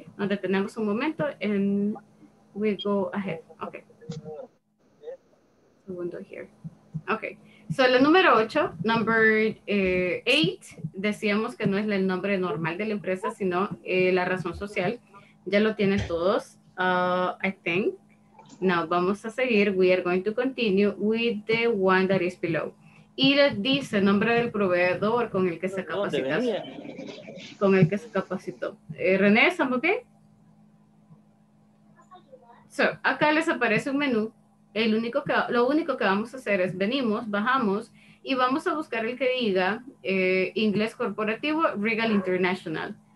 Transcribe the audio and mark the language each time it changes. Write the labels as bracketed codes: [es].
[es] Nos detenemos un momento [en] and we go ahead. Ok. [es] Segundo [en] here. Ok. [es] So, la número 8, [en] number 8, [es] decíamos que no es el nombre normal de la empresa, sino la razón social. Ya lo tienen todos, [en] I think. Now, [es] vamos a seguir. [en] We are going to continue with the one that is below. [es] Y les dice nombre del proveedor con el que se capacitó. Con el que se capacitó. René, ¿estamos bien? So, acá les aparece un menú. Lo único que vamos a hacer es venimos, bajamos y vamos a buscar el que diga Inglés Corporativo Regal International.